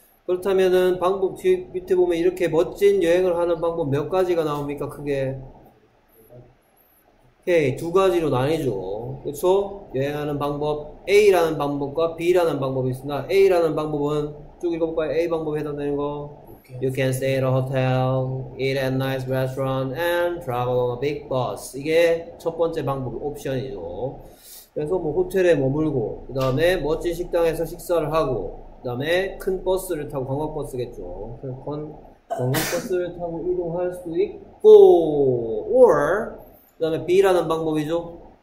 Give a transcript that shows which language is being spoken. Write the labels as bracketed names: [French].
[Korean] 그렇다면은 방법 뒤 밑에 보면 이렇게 멋진 여행을 하는 방법 몇 가지가 나옵니까, 크게? 오케이, 두 가지로 나뉘죠. 그렇죠? 여행하는 방법 A라는 방법과 B라는 방법이 있습니다. A라는 방법은 쭉 읽어볼까요? A 방법에 해당되는 거. [English] You can stay at a hotel, eat at nice restaurant, and travel on a big bus. [Korean] 이게 첫 번째 방법, 옵션이죠. 그래서 뭐 호텔에 머물고, 그 다음에 멋진 식당에서 식사를 하고, 그다음에 큰 버스를 타고 관광버스겠죠. 그건 관광버스를 타고 이동할 수도 있고, or 그다음에 B라는 방법이죠.